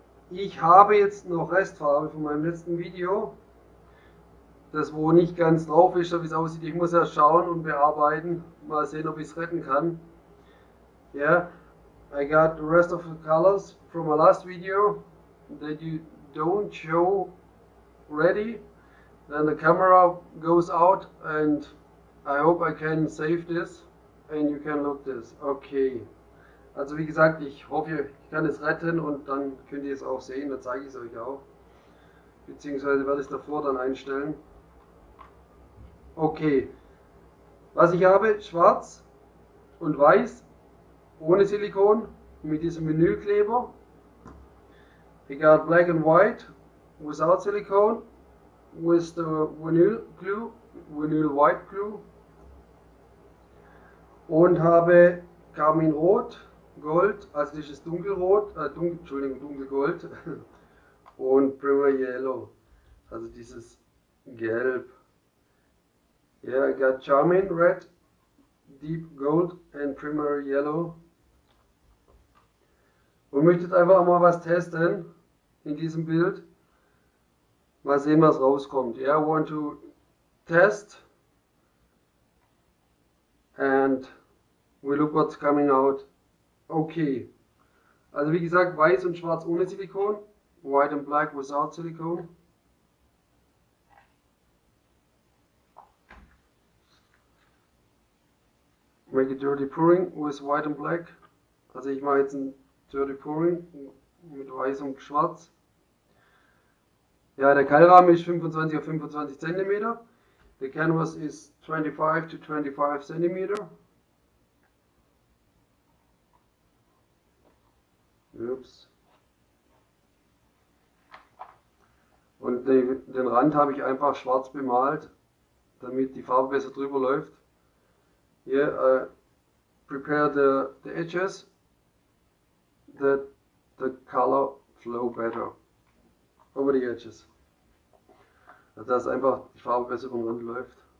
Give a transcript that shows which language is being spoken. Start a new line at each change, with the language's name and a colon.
German: Ich habe jetzt noch Restfarbe von meinem letzten Video. Das, wo nicht ganz drauf ist, so wie es aussieht. Ich muss ja schauen und bearbeiten. Mal sehen, ob ich es retten kann.
English: Ja, yeah. I got the rest of the colors from my last video that you don't show ready. Then the camera goes out and I hope I can save this. And you can look this. Okay.
German: Also wie gesagt, ich hoffe, ich kann es retten und dann könnt ihr es auch sehen. Dann zeige ich es euch auch. Beziehungsweise werde ich es davor dann einstellen. Okay. Was ich habe, schwarz und weiß, ohne Silikon, mit diesem Vinylkleber.
English: I got black and white, without Silikon, with the Vinyl Glue, Vinyl White Glue.
German: Und habe Karminrot, Gold, also das ist Dunkelrot, Entschuldigung, Dunkelgold und Primer Yellow, also dieses Gelb.
English: Ja, yeah, I got Charmin Red, Deep Gold and Primer Yellow.
German: Und möchte einfach mal was testen in diesem Bild. Mal sehen, was rauskommt. Ja,
English: yeah, I want to test. And we look what's coming out. Okay.
German: Also wie gesagt, weiß und schwarz ohne Silikon.
English: White and black without Silikon. Make a dirty pouring with white and black.
German: Also ich mache jetzt ein dirty pouring mit weiß und schwarz. Ja, der Keilrahmen ist 25 auf 25 cm.
English: The canvas is 25 to 25 cm. Ups.
German: Und den Rand habe ich einfach schwarz bemalt, damit die Farbe besser drüber läuft.
English: Hier, prepare the edges, that the color flow better over the edges.
German: Dass einfach die Farbe besser über den Rand läuft.